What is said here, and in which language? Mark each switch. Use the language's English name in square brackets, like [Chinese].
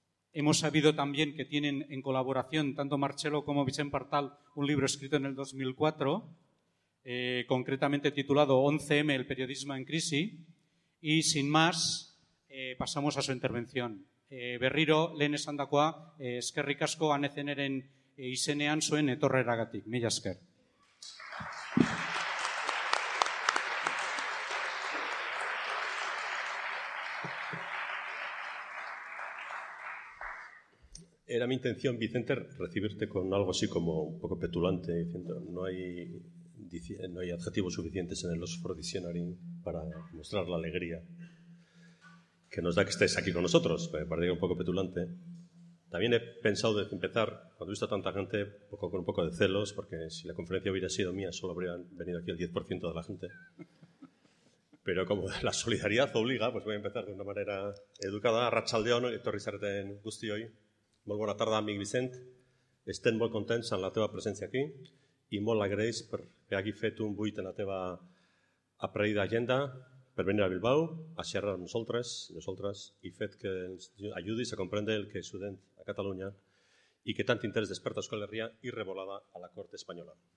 [Spanish] Hemos sabido también que tienen en colaboración tanto Marcelo como Vicent Partal un libro escrito en el 2004, concretamente titulado 11M, el periodismo en crisis, y sin más, pasamos a su intervención. [Basque] Berriro, lehen esandakoa, eskerrik asko anezeneren izenean zuen etorreragatik. Mila esker. [Spanish] Era mi intención, Vicente, recibirte con algo así como un poco petulante, diciendo no hay adjetivos suficientes en el Oxford Dictionary para mostrar la alegría que nos da que estés aquí con nosotros. Me parece un poco petulante. También he pensado desde empezar, cuando he visto a tanta gente, con un poco de celos, porque si la conferencia hubiera sido mía, solo habría venido aquí el 10% de la gente. Pero como la solidaridad obliga, pues voy a empezar de una manera educada. [Basque] Arratsaldeon, etorri zareten guztioi. [Catalan] Molt bona tarda, amic Vicent. Estem molt contents amb la teva presència aquí i molt agraeix per que hagi fet un buit en la teva apreïda agenda per venir a Bilbao, a xerrar amb nosaltres i fet que ens ajudis a comprendre el que sucede a Catalunya i que tant interès desperta a Euskal Herria i revolada a la cort espanyola.